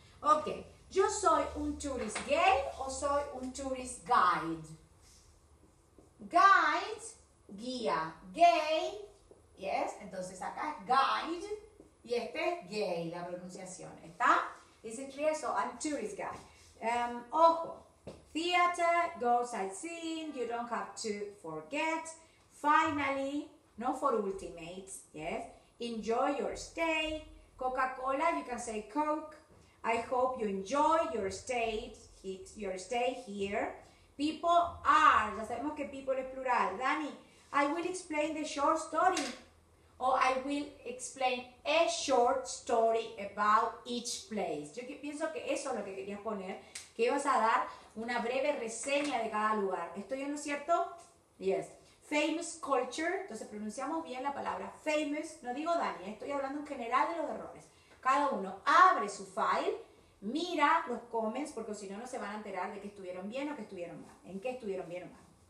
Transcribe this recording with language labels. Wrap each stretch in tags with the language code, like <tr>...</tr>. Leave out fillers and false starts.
<es>Ok, ¿yo soy un tourist guide o soy un tourist guide? Guide, guía, gay, yes, entonces acá es guide y este es gay, la pronunciación, ¿está?</es> <en>Is it clear? So I'm tourist guide. Ojo. Theater, go sightseeing, you don't have to forget. Finally, no for ultimate, yes. Enjoy your stay. Coca-Cola, you can say Coke. I hope you enjoy your stay here. People are,</en> <es>ya sabemos que people es plural.</es> <en>Dani, I will explain the short story. or I will explain a short story about each place.</en> <es>Yo pienso que eso es lo que querías poner, que ibas a dar una breve reseña de cada lugar. ¿Estoy en lo cierto? Yes. Famous culture, entonces pronunciamos bien la palabra famous, no digo Dani, estoy hablando en general de los errores. Cada uno abre su file, mira los comments, porque si no, no se van a enterar de que estuvieron bien o que estuvieron mal, en qué estuvieron bien o mal.</es>